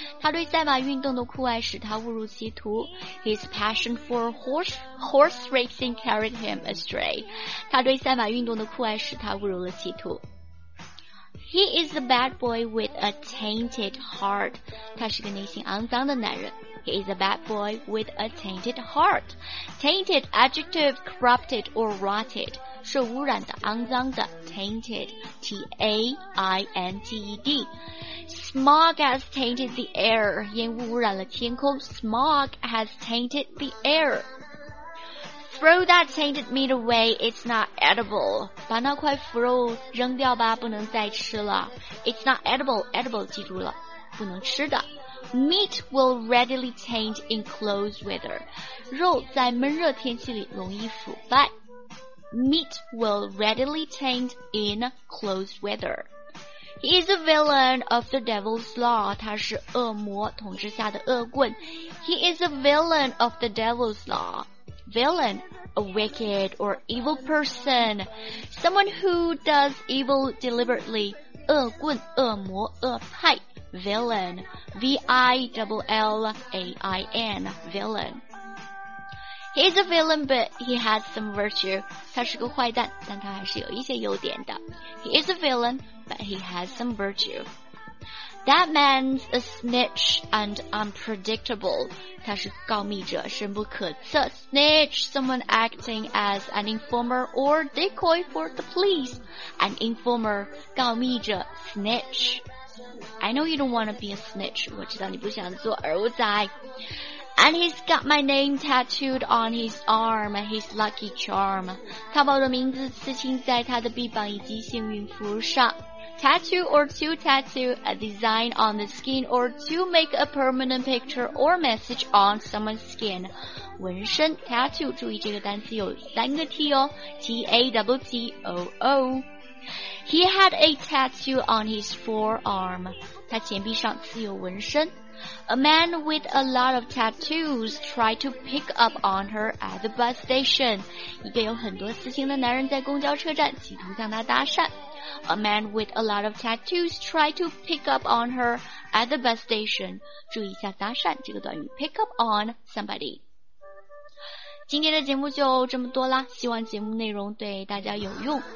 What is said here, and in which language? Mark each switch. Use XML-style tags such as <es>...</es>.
<zh>他对赛马运动的酷爱使他误入歧途。</zh> <en>His passion for horse racing carried him astray.</en> <zh>他对赛马运动的酷爱使他误入了歧途。</zh> <en>He is a bad boy with a tainted heart.</en> <zh>他是个内心肮脏的男人。</zh> <en>He is a bad boy with a tainted heart. Tainted, adjective, corrupted or rotted.</en> <zh>受污染的，肮脏的。</zh> <en>Tainted, T-A-I-N-T-E-D. Smog has tainted the air，</en> <zh>烟雾污染了天空。</zh> <en>Smog has tainted the air. Throw that tainted meat away, it's not edible，</en> <zh>把那块腐肉扔掉吧，不能再吃了。</zh> <en>It's not edible, edible</en> <zh>记住了，不能吃的。</zh> <en>Meat will readily taint in close weather，</en> <zh>肉在闷热天气里容易腐败。</zh> <en>meat will readily taint in close weather. He is a villain of the devil's law.</en> <zh>他是恶魔统治下的恶棍。</zh> <en>He is a villain of the devil's law. Villain, a wicked or evil person. Someone who does evil deliberately.</en> <zh>恶棍、恶魔、恶派。</zh> <en>Villain, V-I-L-L-A-I-N, villain. He is a villain, but he has some virtue.</en> <zh>他是个坏蛋，但他还是有一些优点的。</zh> <en>He is a villain, but he has some virtue. That man's a snitch and unpredictable.</en> <zh>他是告密者，深不可测。</zh> <en>Snitch, someone acting as an informer or decoy for the police. An informer, 告密者 snitch. I know you don't want to be a snitch.</en> <zh>我知道你不想做儿无仔。</zh> <en>And he's got my name tattooed on his arm, his lucky charm.</en> <zh>他把我的名字刺青在他的臂膀以及幸运符上。</zh> <en>Tattoo or to tattoo, a design on the skin or to make a permanent picture or message on someone's skin.</en> <zh>纹身 tattoo, 注意这个单词有三个 T 哦 T-A-T-T-O-O.</zh> <en>He had a tattoo on his forearm.</en> <zh>他前臂上刺有纹身。</zh> <en>A man with a lot of tattoos tried to pick up on her at the bus station.</en> <zh>一个有很多刺青的男人在公交车站企图向她搭讪。</zh> <en>A man with a lot of tattoos tried to pick up on her at the bus station.</en> <zh>注意一下搭讪这个短语 pick up on somebody. 今天的节目就这么多啦，希望节目内容对大家有用。</zh>